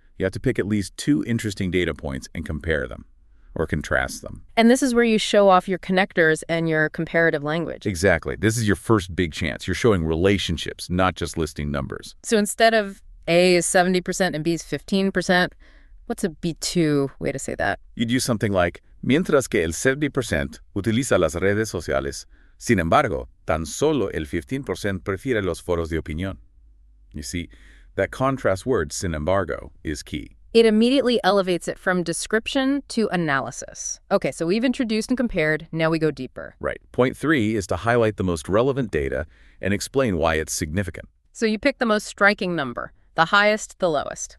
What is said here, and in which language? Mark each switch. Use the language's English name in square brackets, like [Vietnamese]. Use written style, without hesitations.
[English] You have to pick at least 2 interesting data points and compare them. Or contrast them. And this is where you show off your connectors and your comparative language. Exactly. This is your first big chance. You're showing relationships, not just listing numbers. So instead of A is 70% and B is 15%, what's a B2 way to say that? You'd use something like, [Spanish] mientras que el 70% utiliza las redes sociales, sin embargo, tan solo el 15% prefiere los foros de opinión. [English] You see, that contrast word, sin embargo, is key. It immediately elevates it from description to analysis. Okay, so we've introduced and compared. Now we go deeper. Right. Point three is to highlight the most relevant data and explain why it's significant. So you pick the most striking number, the highest, the lowest.